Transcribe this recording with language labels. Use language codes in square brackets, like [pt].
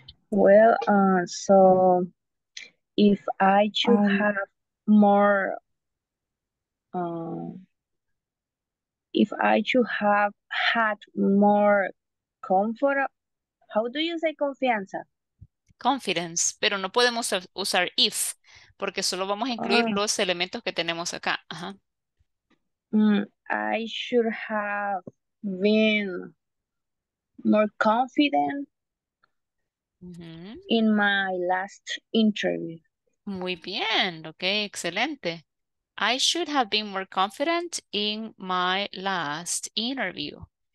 [en] Well, so if I should have more, if I should have had more comfort, how do you say confianza? [es] Confidence, pero no podemos usar if, porque solo vamos a incluir los elementos que tenemos acá. Ajá. [en] I should have been more confident in my last interview. [es] Muy bien, okay, excelente. [en] I should have been more confident in my last interview.